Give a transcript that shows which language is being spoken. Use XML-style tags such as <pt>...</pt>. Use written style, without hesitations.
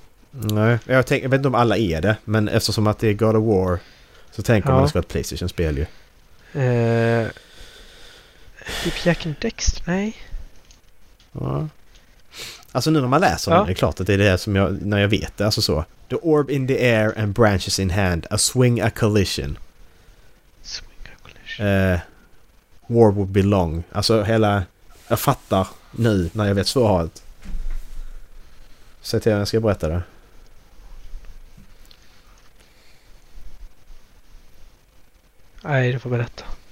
<sv>Nej, jag vet inte om alla är det, men eftersom att det är God of War så tänker, ja, man att det ska vara ett PlayStation-spel ju. Typ Jack and Dexter, nej. Ja. Alltså nu när man läser, ja, den, det är klart att det är det som jag, när jag vet det, alltså så.</sv> <en>The orb in the air and branches in hand, a swing a collision. Swing a collision. War would be long.</en> <sv>Alltså hela, jag fattar nu när jag vet svaret. Säg till när jag ska berätta det. Nej, du får berätta.</sv>